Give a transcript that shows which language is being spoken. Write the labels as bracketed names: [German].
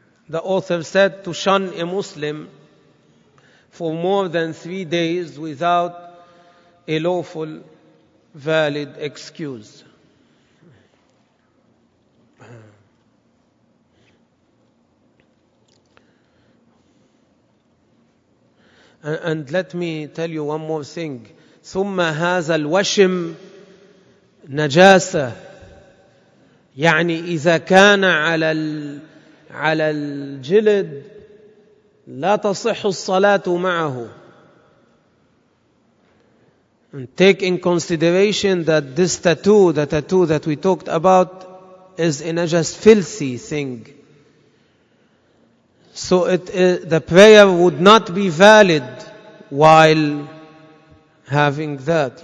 [English] The author said to shun a Muslim for more than 3 days without a lawful valid excuse. And let me tell you one more thing. [Arabic] ثُمَّ هَذَا الْوَشِمْ نَجَاسَةً يعني إذا كان على الجلد لا تصح الصلاة معه. [English] And take in consideration that this tattoo, the tattoo that we talked about, is a najas, filthy thing. So the prayer would not be valid while having that.